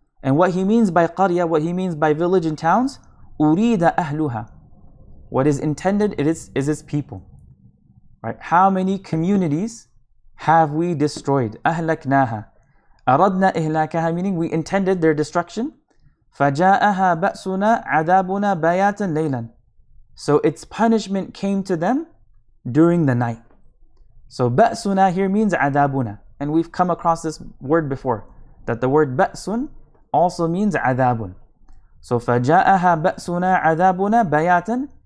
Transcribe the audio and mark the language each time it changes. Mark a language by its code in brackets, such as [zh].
[en] And what he means by قَرْيَة, what he means by village and towns, [ar] أُرِيدَ أَهْلُهَا. [en] What is intended is its people. Right? How many communities have we destroyed? [ar] أهلكناها. أردنا إهلاكها, [en] meaning we intended their destruction. [ar] فجاءها بأسنا عذابنا بياتا ليلا. [en] So its punishment came to them during the night. So بأسنا here means عذابنا. And we've come across this word before, that the word بأسن also means عذابن. [ar] So فجاءها بأسنا عذابنا بياتا.